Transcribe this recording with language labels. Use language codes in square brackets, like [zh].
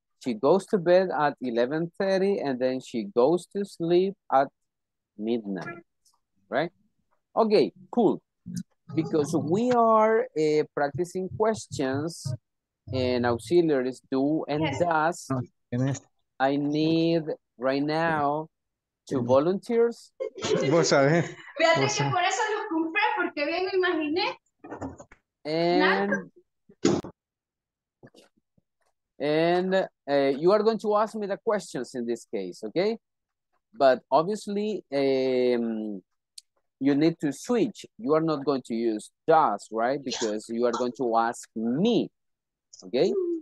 [en] She goes to bed at 11:30 and then she goes to sleep at midnight. Right? Okay, cool. Because we are practicing questions and auxiliaries do and does, I need right now to volunteers. [es] Vos sabés. Fíjate que por eso los compré, porque bien me imaginé. [en] And you are going to ask me the questions in this case, okay? But obviously, you need to switch. You are not going to use does, right? Because you are going to ask me, okay?